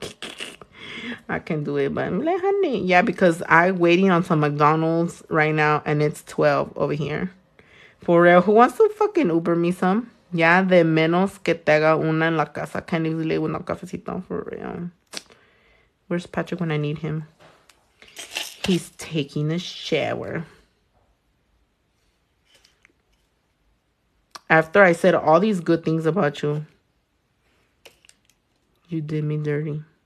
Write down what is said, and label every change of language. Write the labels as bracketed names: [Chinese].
[English] Oh, yeah. I can do it, but I'm like, honey. Yeah, because I'm waiting on some McDonald's right now, and it's 12 over here. For real, who wants to fucking Uber me some? [Spanish] Ya de menos que te haga una en la casa. [English] Can't even live with no cafecito, for real. Where's Patrick when I need him? He's taking a shower. After I said all these good things about you, you did me dirty.